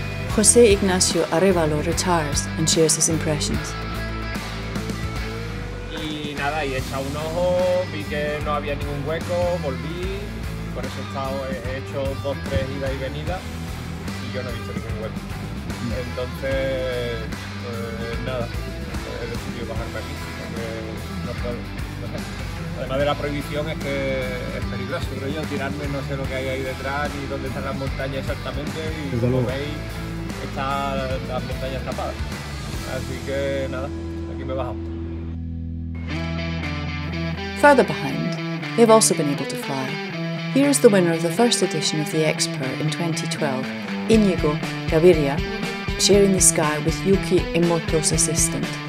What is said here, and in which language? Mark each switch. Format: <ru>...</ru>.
<en>José Ignacio Arevalo retires and shares his impressions.</en> <es>Y he echado un ojo, vi que no había ningún hueco, volví, por eso he hecho 2-3 idas y venidas y yo no he visto ningún hueco. Entonces, nada, he decidido. bajar aquí, porque no puedo. Además de la prohibición es que es peligroso, creo yo, tirarme, no sé lo que hay ahí detrás y dónde están las montañas exactamente, y como veis, está la montaña escapada. Así que nada, aquí me bajo.</es> <en>Further behind, they've also been able to fly. Here is the winner of the first edition of the X-Pyr in 2012, Íñigo Gaviria, sharing the sky with Yuki Emoto's assistant.</en>